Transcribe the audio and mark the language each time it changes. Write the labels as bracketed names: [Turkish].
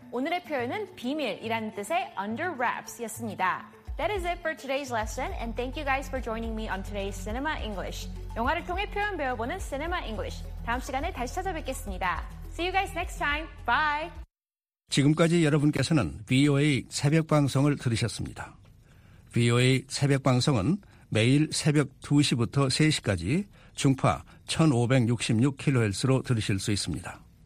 [Korean] 오늘의 표현은 비밀이라는 뜻의 under wraps였습니다. [English] That is it for today's lesson, and thank you guys for joining me on today's Cinema English. [Korean] 영화를 통해 표현 배워보는 Cinema English. 다음 시간에 다시 찾아뵙겠습니다. [English] See you guys next time. Bye! [Korean] 지금까지 여러분께서는 VOA 새벽 방송을 들으셨습니다. VOA 새벽 방송은 매일 새벽 2시부터 3시까지 중파 1566kHz로 들으실 수 있습니다.